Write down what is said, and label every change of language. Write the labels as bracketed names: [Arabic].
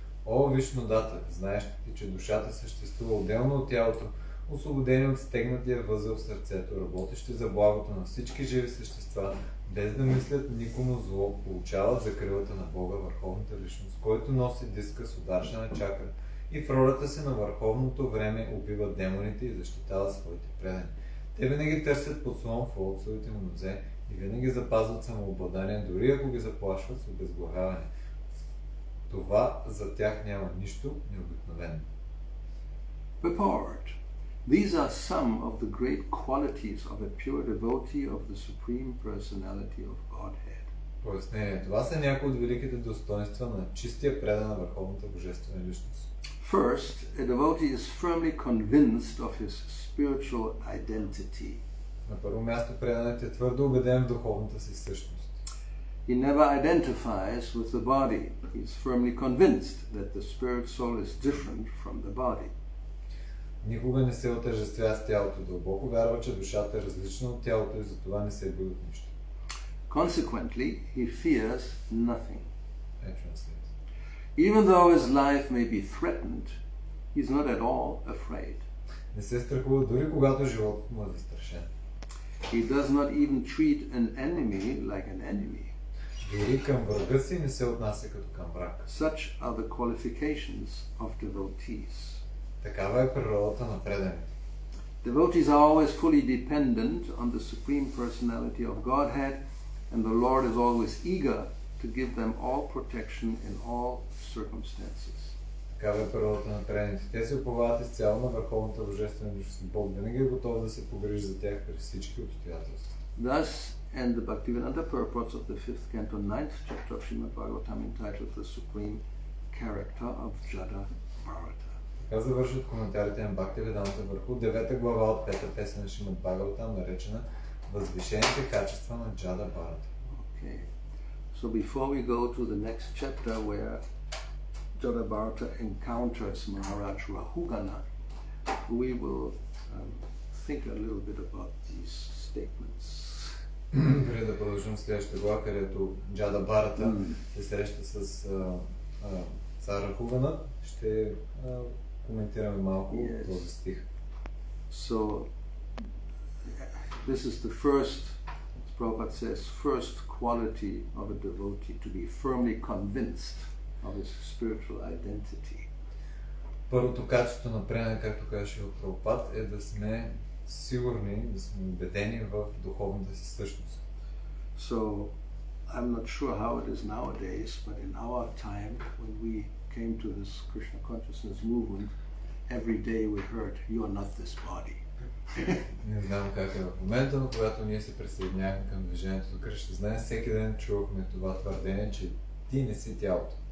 [Bulgarian] О, Вишну Дата, знаеш ти, че душата съществува отделно от тялото, освободени от стегнатия възел в сърцето, работещи за благото на всички живи същества, без да мислят никому зло, получават закрилата на Бога, върховната личност, който носи диска с Сударшана чакра и в ролята си на върховното време убива демоните и защитава своите предани. Те винаги търсят подслон в лотосовите му нозе и винаги запазват самообладание, дори ако ги заплашват с обезглавяване. Това за тях няма нищо необикновено. [English] Purport. These are some of the great qualities of a pure devotee of the Supreme Personality of Godhead. [Bulgarian] Пояснение. Това са някои от великите достоинства на чистия предан на върховната божествена личност. [English] First, a devotee is firmly convinced of his spiritual identity. [Bulgarian] На първо място преданът е твърдо убеден в духовната си същност. [English] He never identifies with the body. He is firmly convinced that the spirit soul is different from the body. [Bulgarian] Никога не се отъждествява с тялото. Дълбоко вярва, че душата е различна от тялото и затова не се бои от нищо. [English] Consequently, he fears nothing. I translate. Even though his life may be threatened, he is not at all afraid. [Bulgarian] Не се страхува дори когато животът му е застрашен. [English] He does not even treat an enemy like an enemy. [Bulgarian] Дори към врага си не се отнася като към враг. [English] Such are the qualifications of devotees. [Bulgarian] Такава е природата на преданите. [English] Devotees are always fully dependent on the Supreme Personality of Godhead, and the Lord is always eager to give them all protection in all circumstances. [Bulgarian] Такава е природата на трените. Те се уповават изцяло на върховната божествена личност. Бог винаги е готов да се погрижи за тях при всички обстоятелства. [English] Thus, and the Bhaktivedanta purports of the 5th canto, 9th chapter of Srimad Bhagavatam, entitled The Supreme Character of Jada Bharata. [Bulgarian] Така завършват коментарите на Бхактиведанта върху 9-та глава от 5-та песен на Шримад Бхагаватам, наречена Възвишените качества на Джада Бхарата. [English] Okay. So before we go to the next chapter where Jada Bharata encounters Maharaj Rahugana, we will think a little bit about these statements. [Bulgarian] Преди да продължим следващата глава, където Джада Бхарата се среща с цар Рахугана, ще коментираме малко този стих. [English] So, this is the first, as Prabhupada says, first quality of a devotee, to be firmly convinced of his spiritual identity. [Bulgarian] Първото качество на преданък, както каже Прабхупад, е да сме сигурни, да сме убедени в духовната си същност. [English] So, I'm not sure how it is nowadays, but in our time, when we came to this Krishna consciousness movement, every day we heard, you are not this body. [Bulgarian] Не знам как е в момента, но когато ние се присъединяхме към движението на Кришна, знае, всеки ден чувахме това твърдение, че ти не си тялото.